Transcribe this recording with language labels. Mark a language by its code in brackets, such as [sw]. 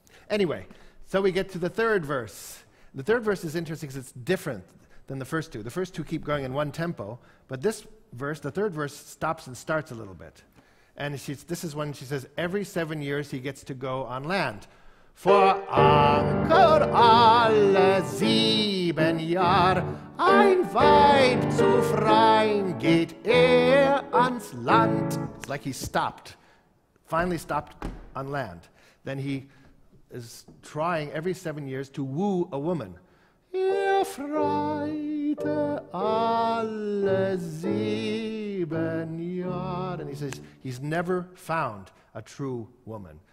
[en] Anyway, so we get to the third verse. The third verse is interesting because it's different than the first two. The first two keep going in one tempo, but this verse, the third verse, stops and starts a little bit. And this is when she says, every 7 years he gets to go on land. [de] For anker alle sieben Jahr ein Weib zu freien geht ans Land. [en] It's like he stopped, finally stopped on land. Then he is trying every 7 years to woo a woman. [de] Ihr freite alle sieben Jahr. [en] And he says he's never found a true woman.